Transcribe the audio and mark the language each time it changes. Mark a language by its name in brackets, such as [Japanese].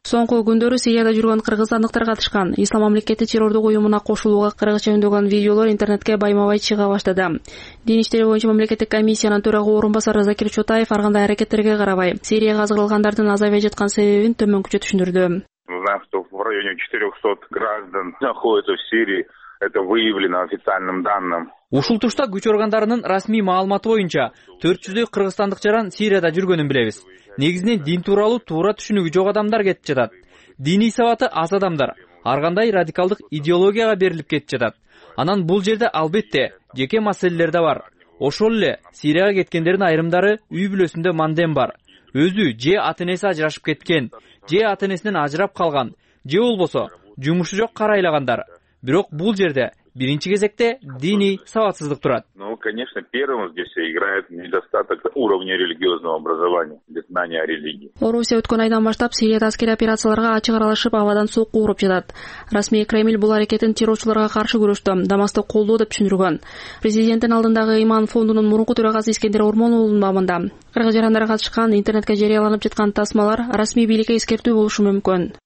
[Kyrgyz] Соңку күндөрү Сирияда жүргөн кыргызстандыктар катышкан Ислам мамлекети террордук уюмуна кошулууга кыргызча үндөгөн видеолор интернетке байма-бай чыга баштады. Дин иштери боюнча мамлекеттик комиссиянын төрагы орун басары Закир Чотаев ар кандай аракеттерге карабай Сирияга азгырылгандардын азайбай жаткан себебин төмөнкүчө түшүндүрдү. [Russian] В районе 400 граждан находятся в Сирии. Это выявлено официальным данным. [Kyrgyz] Ушул тушта күч органдарынын расмий маалыматы боюнча 400 кыргызстандык жаран Сирияда жүргөнүн билебиз. Негизинен дин тууралуу туура түшүнүгү жок адамдар кетип жатат. Диний сабаты аз адамдар ар кандай радикалдык идеологияга берилип кетип жатат. Анан бул жерде албетте жеке маселелер да бар. Ошол эле Сирияга кеткендердин айрымдары үй бүлөсүндө мандем бар. Өзү же ата-энеси ажырашып кеткен, же ата-энесинен ажырап калган, же болбосо жумушу жок карайлагандар. Бирок бул жерде биринчи кезекте диний сабатсыздык турат. [Russian] Ну, конечно, первым здесь играет недостаток уровня религиозного образования, без знания о религии. [Kyrgyz] Орусия өткөн айдан баштап Сирия аскери операцияларга ачык аралашып, абадан суук кууруп жатат. Расмий Кремль бул аракетин террорчуларга каршы күрөштө Дамаскты колдоо деп түшүндүргөн. Президенттин алдындагы Иман фондунун мурунку төрагасы Искендер Ормонулунун мамында кыргыз жарандары катышкан интернетке жарыяланып жаткан тасмалар расмий бийликке эскертүү болушу мүмкүн.